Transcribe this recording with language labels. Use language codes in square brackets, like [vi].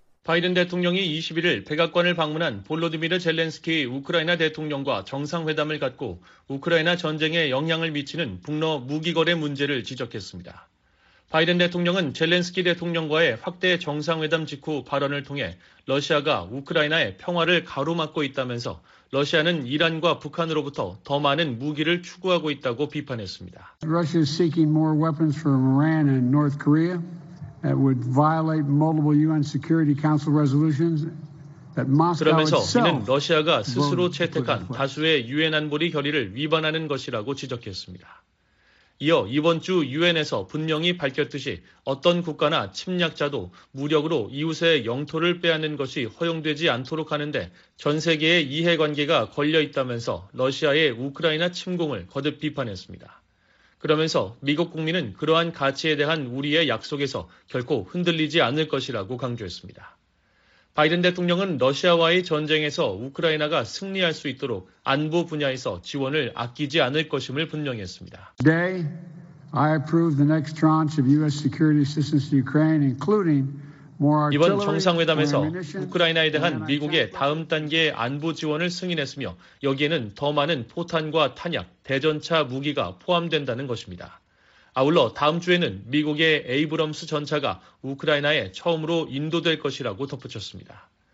[ko] 바이든 대통령이 21일 백악관을 방문한 볼로디미르 젤렌스키 우크라이나 대통령과 정상회담을 갖고 우크라이나 전쟁에 영향을 미치는 북러 무기거래 문제를 지적했습니다. 바이든 대통령은 젤렌스키 대통령과의 확대 정상회담 직후 발언을 통해 러시아가 우크라이나의 평화를 가로막고 있다면서 러시아는 이란과 북한으로부터 더 많은 무기를 추구하고 있다고 비판했습니다. [en] Russia is seeking more weapons from Iran and North Korea that would violate multiple UN Security Council resolutions that Moscow itself. [ko] 그러면서 이는 러시아가 스스로 채택한 다수의 유엔 안보리 결의를 위반하는 것이라고 지적했습니다. 이어 이번 주 유엔에서 분명히 밝혔듯이 어떤 국가나 침략자도 무력으로 이웃의 영토를 빼앗는 것이 허용되지 않도록 하는데 전 세계의 이해관계가 걸려있다면서 러시아의 우크라이나 침공을 거듭 비판했습니다. 그러면서 미국 국민은 그러한 가치에 대한 우리의 약속에서 결코 흔들리지 않을 것이라고 강조했습니다. 바이든 대통령은 러시아와의 전쟁에서 우크라이나가 승리할 수 있도록 안보 분야에서 지원을 아끼지 않을 것임을 분명히 했습니다. [en] Today, I approve the next tranche of U.S. security assistance to Ukraine, including more artillery. [ko] 이번 정상회담에서 우크라이나에 대한 미국의 다음 단계의 안보 지원을 승인했으며 여기에는 더 많은 포탄과 탄약, 대전차 무기가 포함된다는 것입니다. 아울러 다음 주에는 미국의 에이브럼스 전차가 우크라이나에 처음으로 인도될 것이라고 덧붙였습니다.